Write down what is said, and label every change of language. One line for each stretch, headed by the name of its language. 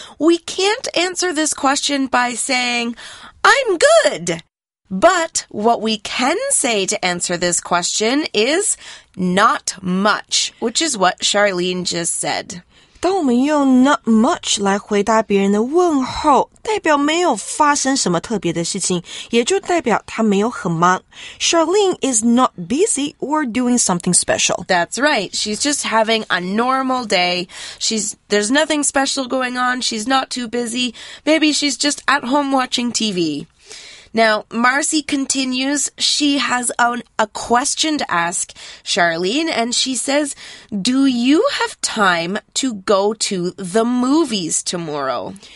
English: We can't answer this question by saying, I'm good. But what we can say to answer this question is not much, which is what Charlene just said.
Chinese: 当我们用 not much 来回答别人的问候，代表没有发生什么特别的事情，也就代表他没有很忙。
English: Charlene is not busy or doing something special. That's right. She's just having a normal day. There's nothing special going on. She's not too busy. Maybe she's just at home watching TV. Now, Marcy continues, she has a question to ask Charlene, and she says, do you have time to go to the movies tomorrow?